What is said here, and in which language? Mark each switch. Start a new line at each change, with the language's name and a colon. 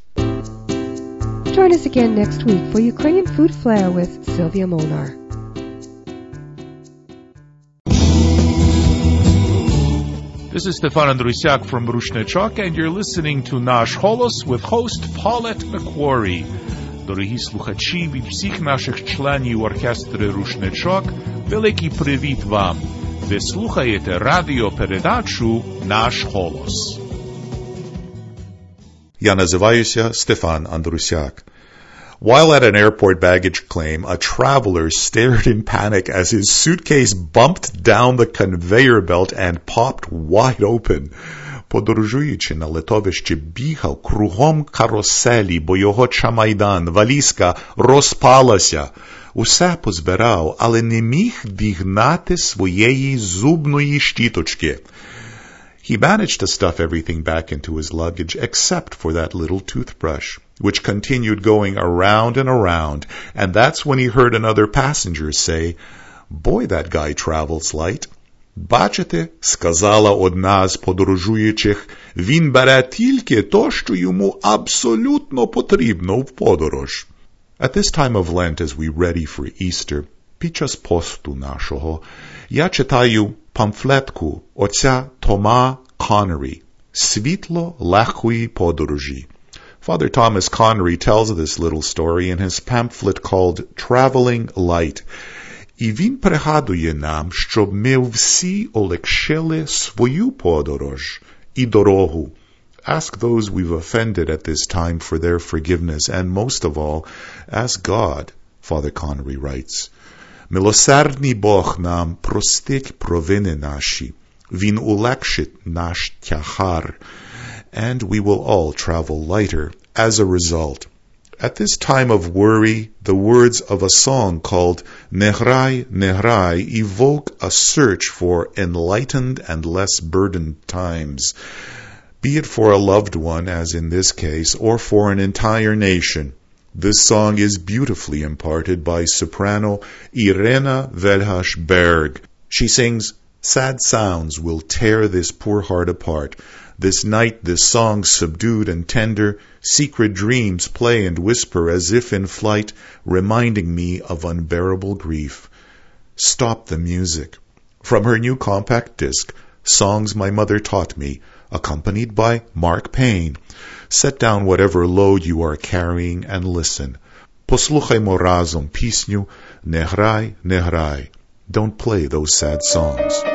English: Join us again next week for Ukrainian Food Flair with Sylvia Molnar. This is Stefan Andrusiak from Rushne Chok, and you're listening to Nash Holos with host Paulette McQuarrie.
Ukrainian: Дорогі слухачі від всіх наших членів оркестри Рушне Чок, великий привіт вам! Ви слухаєте радіопередачу «Наш голос». Я називаюся Стефан Андрусяк.
English: While at an airport baggage claim, a traveler stared in panic as his suitcase bumped down the conveyor belt and popped wide open.
Ukrainian: Подорожуючи на литовищі, бігав кругом каруселі, бо його чамайдан, валізка, розпалася. Усе позбирав, але не міг дігнати своєї зубної щіточки.
English: He managed to stuff everything back into his luggage except for that little toothbrush, which continued going around and around, and that's when he heard another passenger say, "Boy, that guy travels light."
Ukrainian: «Бачите, – сказала одна з подорожуючих, – він бере тільки то, що йому абсолютно потрібно в подорож».
English: At this time of Lent, as we ready for Easter,
Ukrainian: під час посту нашого, я читаю памфлетку отця Тома Коннері «Світло легкої подорожі».
English: Father Thomas Connery tells this little story in his pamphlet called Traveling Light.
Ukrainian: І він пригадує нам, щоб ми всі олегшили свою подорож і дорогу.
English: Ask those we've offended at this time for their forgiveness, and most of all, ask God, Father Connery writes.
Ukrainian: Милосердний Бог нам простить провини наші, він улегшить наш тягар,
English: and we will all travel lighter as a result. At this time of worry, the words of a song called Nehrai, Nehrai evoke a search for enlightened and less burdened times, be it for a loved one, as in this case, or for an entire nation. This song is beautifully imparted by soprano Irena Velhash-Berg. She sings, "Sad sounds will tear this poor heart apart. This night, this song subdued and tender, secret dreams play and whisper as if in flight, reminding me of unbearable grief. Stop the music." From her new compact disc, Songs My Mother Taught Me, accompanied by Mark Payne, set down whatever load you are carrying and listen.
Ukrainian: Послухаймо разом пісню «Неграй, неграй».
English: Don't play those sad songs.